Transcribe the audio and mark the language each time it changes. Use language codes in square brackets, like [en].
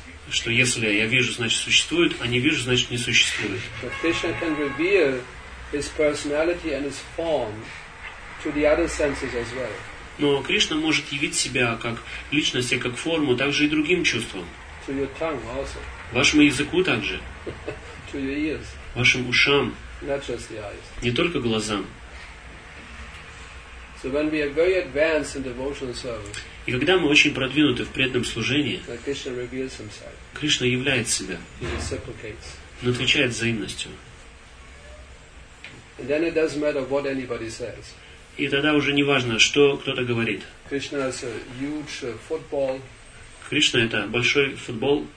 [ru] Что если я вижу, значит существует, а не вижу, значит не существует. [en] But Krishna can reveal his personality and his form to the other senses as well. [ru] Но Кришна может явить себя как личность и как форму, также и другим чувствам. [en] To your tongue also. [ru] Вашему языку также. [en] To your ears. [ru] Вашим ушам. [en] Not just the eyes. [ru] Не только глазам. [en] So when we are very advanced in devotional service. [ru] И когда мы очень продвинуты в преданном служении, [en] Krishna reveals himself. [ru] Кришна являет себя. [en] He reciprocates. [ru] Он отвечает взаимностью. [en] And then it doesn't matter what anybody says. [ru] И тогда уже не важно, что кто-то говорит. [en] Krishna is a huge football. [ru] Кришна это большой футбол.